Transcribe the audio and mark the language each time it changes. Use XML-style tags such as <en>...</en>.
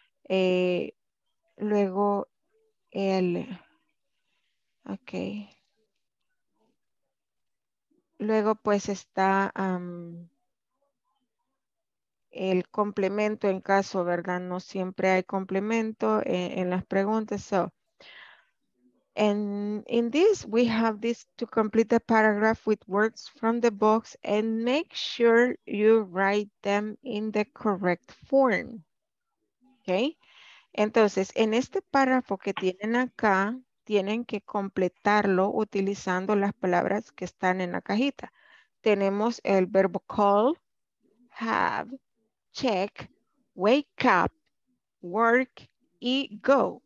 <es>Luego el, okay. Luego pues está el complemento en caso, ¿verdad? No siempre hay complemento en las preguntas.</es> <en>So, and in this, we have this to complete the paragraph with words from the box and make sure you write them in the correct form. Okay.</en> <es>Entonces, en este párrafo que tienen acá, tienen que completarlo utilizando las palabras que están en la cajita. Tenemos el verbo call, have, check, wake up, work, y go.</es>